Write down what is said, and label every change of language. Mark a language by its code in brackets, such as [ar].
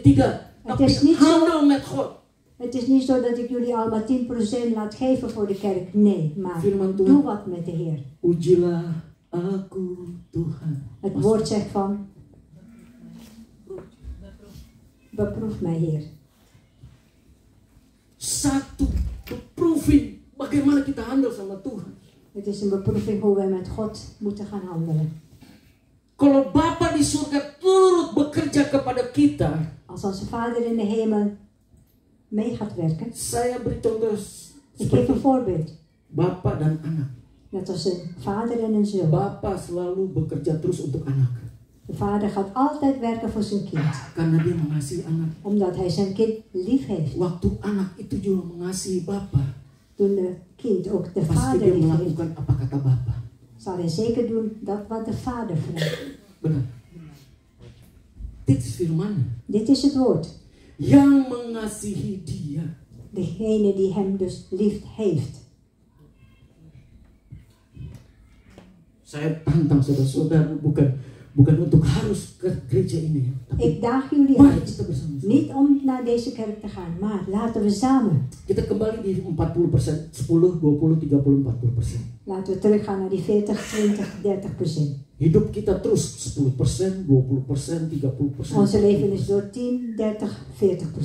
[id] Tidak. Tapi [nl] handel met God. Het is niet zo dat ik jullie allemaal 10% laat geven voor de kerk. Nee. Maar [id] Firman Tuhan, [nl] doe wat met de Heer. [id] Ujilah aku Tuhan. [nl] Het woord zegt van. Beproef mij Heer. [id] Satu beproeving bagaimana kita handel sama Tuhan. [nl] Het is een beproeving hoe wij met God moeten gaan handelen. [id] Kalau Bapa di surga turut bekerja kepada kita, [nl] als onze Vader in de hemel mee gaat werken. [id] Saya beritahu terus. [nl] Ik geef een voorbeeld. [id] Bapa dan anak. [nl] Net als een vader en een zoon. [id] Bapa selalu bekerja terus untuk anak. [nl] De vader gaat altijd werken voor zijn kind. [id] Karena dia mengasihi anak. [nl] Omdat hij zijn kind lief heeft. [id] Waktu anak itu juga mengasihi bapa. [nl] Toen de kind ook de [id] pasti [nl] vader lief heeft. [id] Pasti dia melakukan apa kata bapa. [nl] Zal hij zeker doen dat wat de vader vraagt. [id] Benar. [nl] Dit is firman. Dit is het woord. [id] Yang mengasihi dia. [nl] Degene die hem dus lief heeft. [id] Saya tantang saudara-saudara bukan untuk harus ke gereja ini. [nl] Ik daag jullie uit. Niet om naar deze kerk te gaan, maar laten we samen. [id] Kita kembali di 40%, 10, 20, 30, 40%. [nl] Laten we teruggaan naar die 40, 20, 30%. [id] Hidup kita terus 10%, 20%, 30%. [nl] Onze leven is door 10, 30, 40%.